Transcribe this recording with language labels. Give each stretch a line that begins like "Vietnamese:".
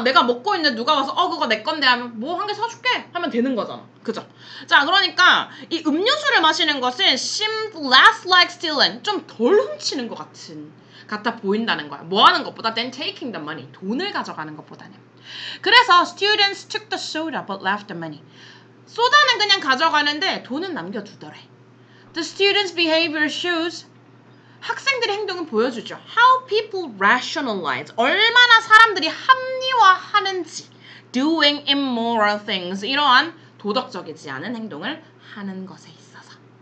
Korean: 내가 먹고 있는데 누가 와서 그거 내 건데 하면 뭐 한 개 사줄게 하면 되는 거잖아. 그죠. 자, 그러니까 이 음료수를 마시는 것은
English: seemed less like stealing.
Korean: 좀 덜 훔치는 것 같은 같아 보인다는 거야. 뭐 하는 것보다
English: than taking the money.
Korean: 돈을 가져가는 것보다는.
English: 그래서 students took the soda but left the money.
Korean: 소다는 그냥 가져가는데 돈은 남겨두더래.
English: The student's behavior shows.
Korean: 학생들의 행동은 보여주죠.
English: How people rationalize.
Korean: 얼마나 사람들이 합리화하는지.
English: Doing immoral things.
Korean: 이러한 도덕적이지 않은 행동을 하는 것에 있어서.